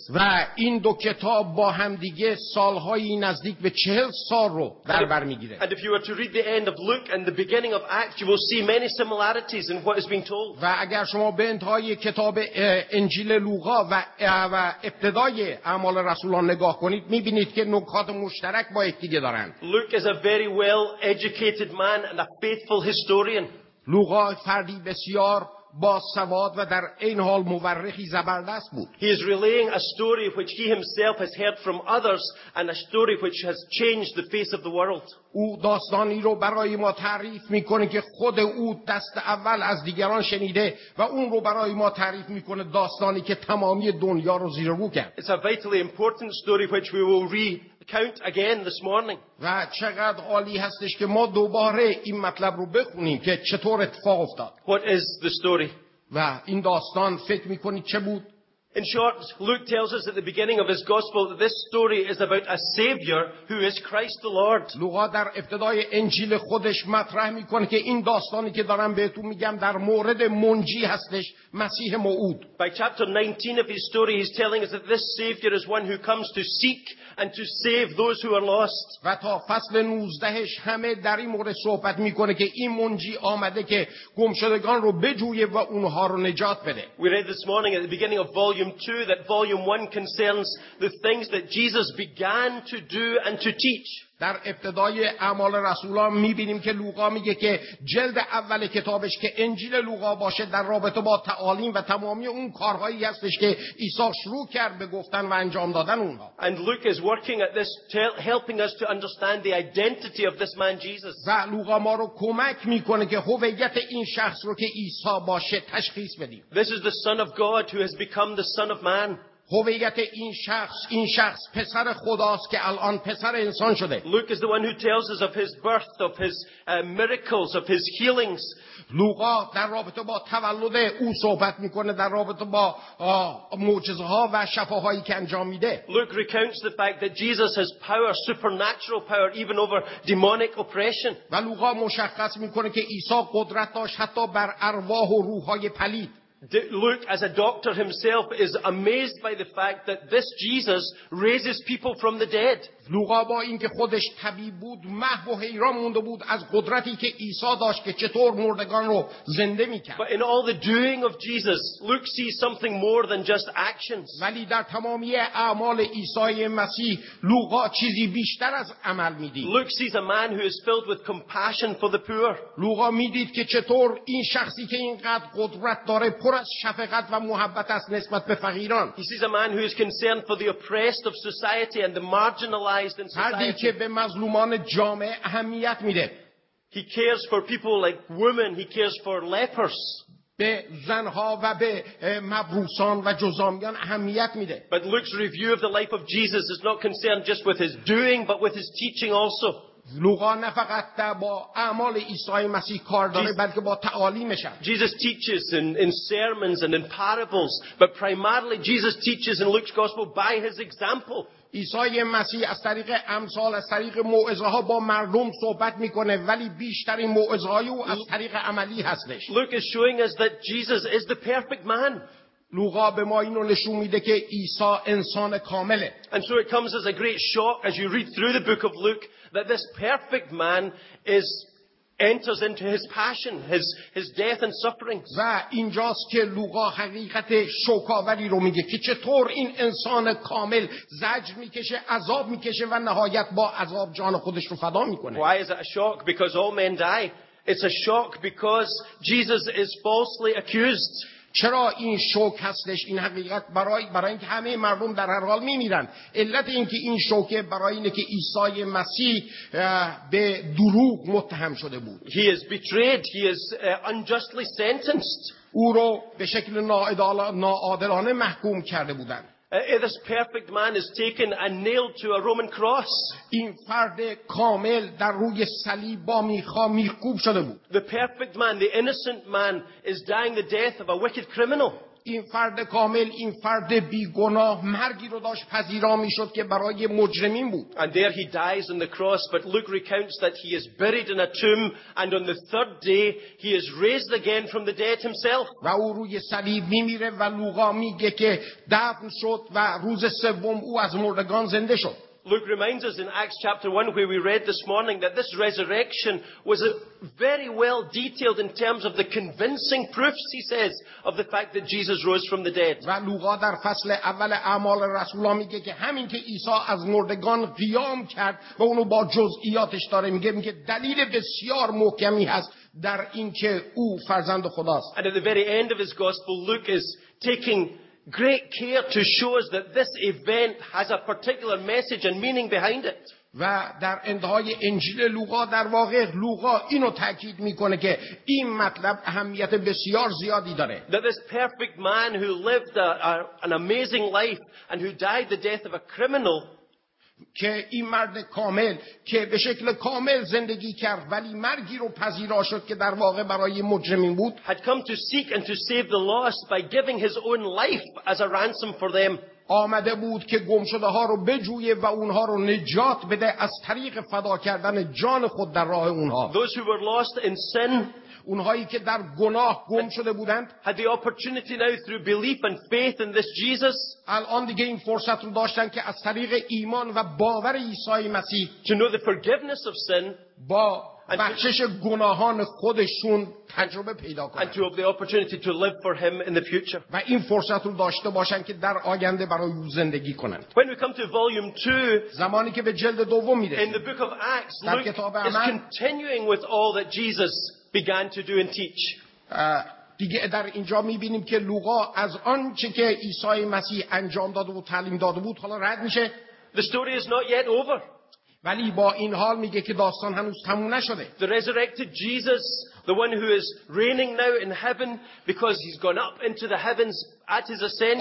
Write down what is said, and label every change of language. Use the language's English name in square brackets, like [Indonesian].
[Persian] و این دو کتاب با هم دیگه سالهای نزدیک به 40 سال رو در بر میگیره. [English] And if you were to read the end of Luke and the beginning of Acts, you will see many similarities in what is being told. [Persian] و اگر شما به انتهای کتاب انجیل لوقا و ابتدای اعمال رسولان نگاه کنید، میبینید که نکات مشترک با یکدیگه دارند. [English] Luke is a very well educated man and a faithful historian. [Persian] لوقا فردی بسیار با سواد و در این حال مورخی زبردست بود. [English] He is relaying a story which he himself has heard from others and a story which has changed the face of the world. [Persian] او داستانی رو برای ما تعریف میکنه که خود او دست اول از دیگران شنیده و اون رو برای ما تعریف میکنه، داستانی که تمامی دنیا رو زیر رو کرد. [English] It's a vitally important story which we will recount again this morning. [Persian] و چقدر عالی هستش که ما دوباره این مطلب رو بخونیم که چطور اتفاق افتاد. [English] What is the story? [Persian] و این داستان فکر میکنی چه بود؟ [English] In short, Luke tells us at the beginning of his gospel that this story is about a savior who is Christ the Lord. [Persian] لوقا در ابتدای انجیل خودش مطرح میکنه که این داستانی که دارم بهتون میگم در مورد منجی هستش، مسیح موعود. [English] By chapter 19 of his story, he's telling us that this savior is one who comes to seek and to save those who are lost. [Persian] و تا فصل 19ش همه در این مورد صحبت میکنه که این منجی آمده که گمشدگان رو بجویه و اونها رو نجات بده. [English] We read this morning at the beginning of Volume 2, that volume 1 concerns the things that Jesus began to do and to teach. [Persian] در ابتدای اعمال رسولان می‌بینیم که لوقا میگه که جلد اول کتابش که انجیل لوقا باشه در رابطه با تعالیم و تمامی اون کارهایی هستش که عیسی شروع کرد به گفتن و انجام دادن اونها. [English] And Luke is working at this helping us to understand the identity of this man Jesus. [Persian] و لوقا ما رو کمک می‌کنه که هویت این شخص رو که عیسی باشه تشخیص بدیم. [English] This is the son of God who has become the son of man. [Persian] هویت این شخص، این شخص پسر خداست که الان پسر انسان شده. [English] Luke is the one who tells us of his birth, of his miracles, of his healings. [Persian] لوقا در رابطه با تولد او صحبت میکنه، در رابطه با معجزه ها و شفاهایی که انجام میده. [English] Luke recounts the fact that Jesus has power, supernatural power, even over demonic oppression. [Persian] و لوقا مشخص میکنه که عیسی قدرت داشت حتی بر ارواح و روح‌های پلید. [English] Luke, as a doctor himself, is amazed by the fact that this Jesus raises people from the dead. [Persian] لوقا با اینکه خودش طبیب بود، محو و حیران مونده بود از قدرتی که عیسی داشت که چطور مردگان رو زنده می‌کرد. [English] But in all the doing of Jesus, Luke sees something more than just actions. [Persian] ولی در تمامی اعمال عیسی مسیح، لوقا چیزی بیشتر از عمل می‌دید. [English] Luke sees a man who is filled with compassion for the poor. [Persian] لوقا می‌دید که چطور این شخصی که اینقدر قدرت داره پر از شفقت و محبت است نسبت به فقیران. [English] He sees a man who is concerned for the oppressed of society and the marginalized. [Persian] فردی که به مظلومان جامعه اهمیت میده. [English] He cares for people like women. He cares for lepers. [Persian] به زنها و به مبروسان و جذامیان اهمیت میده. [English] But Luke's review of the life of Jesus is not concerned just with his doing, but with his teaching also. [Persian] لوقا نه فقط با اعمال عیسی مسیح کار داره، بلکه با تعالیمش. [English] Jesus teaches in sermons and in parables, but primarily Jesus teaches in Luke's gospel by his example. [Persian] عیسی مسیح از طریق امثال، از طریق موعظه ها با مردم صحبت میکنه، ولی بیشترین موعظه های او از طریق عملی هستش. [English] Luke is showing us that Jesus is the perfect man. [Persian] لوقا به ما اینو نشون میده که عیسی انسان کامله. [English] And so it comes as a great shock as you read through the book of Luke that this perfect man enters into his passion, his death and suffering. [Persian] و اینجاست که لوقا حقیقت شوکاوری رو میگه که چطور این انسان کامل زجر میکشه، عذاب میکشه و نهایت با عذاب جان خودش رو فدا میکنه. [English] Why is it a shock? Because all men die. It's a shock because Jesus is falsely accused. [Persian] چرا این شوک هستش؟ این حقیقت برای اینکه همه مردم در هر حال میمیرن. علت اینکه این شوکه برای اینکه عیسی مسیح به دروغ متهم شده بود. [English] He is betrayed. He is unjustly sentenced. [Persian] او را به شکل ناعادلانه محکوم کرده بودند. [English] This perfect man is taken and nailed to a Roman cross. [Persian] این فرد کامل در روی صلیب با میخا میخکوب شده بود. [English] The perfect man, the innocent man, is dying the death of a wicked criminal. [Persian] این فرد کامل، این فرد بیگناه مرگی رو داشت پذیرا میشد که برای مجرمین بود. [English] And there he dies on the cross, but Luke recounts that he is buried in a tomb and on the third day he is raised again from the dead himself. [Persian] و او روی صلیب میمیره و لوقا میگه که دفن شد و روز سوم او از مردگان زنده شد. [English] Luke reminds us in Acts chapter 1 where we read this morning that this resurrection was very well detailed in terms of the convincing proofs, he says, of the fact that Jesus rose from the dead. [Persian] و لوقا در فصل اول اعمال رسول ها میگه که همین که عیسی از مردگان قیام کرد و اونو با جزئیاتش داره میگه دلیل بسیار محکمی هست در اینکه او فرزند خداست. [English] And at the very end of his gospel, Luke is taking great care to show us that this event has a particular message and meaning behind it. [Persian] و در انتهای انجیل لوقا، در واقع لوقا اینو تاکید میکنه که این مطلب اهمیت بسیار زیادی داره. [English] That this perfect man who lived an amazing life and who died the death of a criminal, [Persian] که این مرد کامل که به شکل کامل زندگی کرد ولی مرگی رو پذیرا شد که در واقع برای مجرمین بود، [English] had come to seek and to save the lost by giving his own life as a ransom for them. [Persian] آمده بود که گمشده ها رو بجویه و اونها رو نجات بده از طریق فدا کردن جان خود در راه اونها. [English] Those who were lost in sin, [Persian] اونهایی که در گناه گم شده بودند، [English] had the opportunity now through belief and faith in this Jesus, [Persian] الان دیگه این فرصت رو داشتن که از طریق ایمان و باور عیسی مسیح، [English] to know the forgiveness of sin, [Persian] با بخشش گناهان خودشون تجربه پیدا کنند. [English] And to have the opportunity to live for him in the future. [Persian] و این فرصت رو داشته باشن که در آینده برای او زندگی کنند. [English] When we come to volume 2, [Persian] زمانی که به جلد دوم میرسیم، [English] in the book of Acts, Luke is continuing with all that Jesus began to do and teach. [Persian] دیگه در اینجا میبینیم که لوقا از آن چه که عیسی مسیح انجام داده و تعلیم داده بود حالا رد میشه. [English] The story is not yet over. [Persian] ولی با این حال میگه که داستان هنوز تموم نشده. [English] The resurrected Jesus, the one who is reigning now in heaven because he's gone up into the heavens at his ascension.